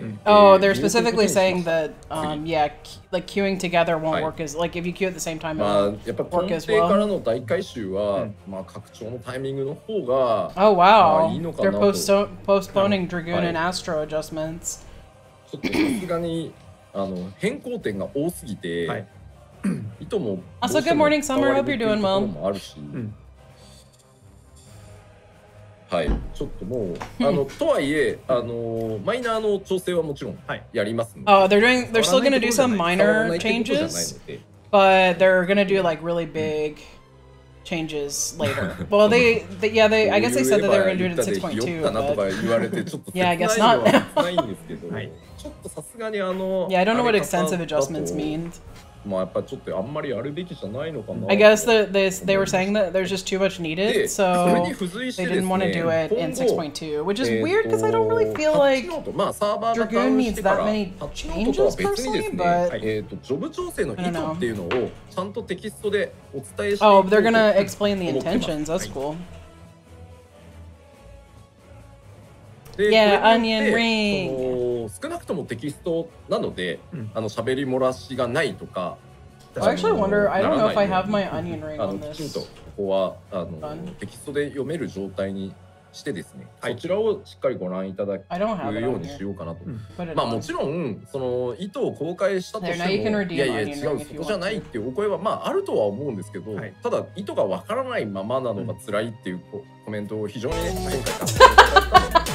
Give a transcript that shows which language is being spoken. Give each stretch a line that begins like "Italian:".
English: うん、oh, they're specifically saying that, yeah, like queuing together won't work as, like, if you queue at the same time, it won't work as well.
Japanese: からの大回収は、うん、まあ、拡張のタイミングの方が、
English: oh, wow.
Japanese: まあ、いいのかな
English: と。They're postponing Dragoon and Astro adjustments.
Japanese: ちょっとさすがに、変更点が多すぎて、意図も、
English: Also, good morning, Summer. Hope you're doing well.
Japanese: あるし、うん、はい、ちょっともうとはいえマイナーの調整はもちろんやりますので
English: 、they're still gonna do some minor changes, but they're gonna do like really big changes later. Well, they I guess they said that they're gonna do it in 6.2. yeah, I guess not.
Japanese: ちょっとさすがに
English: yeah, I don't know what extensive adjustments mean.
Japanese: まあ、やっぱちょっとあんまりあるべきじゃないのかな。
English: I guess that they were saying that there's just too much needed, so they didn't want to do it in 6.2, which is weird because I don't really feel like Dragoon needs that many changes personally. But
Japanese: ジョブ調整の意図っていうのをちゃんとテキストでお伝えして
English: 。 Oh, they're gonna explain the intentions. That's cool. Yeah, onion ring.
Japanese: 少なくともテキストなので、喋り漏らしがないとか。
English: I actually wonder, I don't know if I have my onion ring on this.
Japanese: きちんとここはテキストで読める状態にしてですね、そちらをしっかりご覧いただくようにしようかなと。まあもちろん、その意図を公開したとしても、いやいや違う、そこじゃないっていうお声はまああるとは思うんですけど、ただ意図がわからないままなのが辛いっていうコメントを非常にね、今回。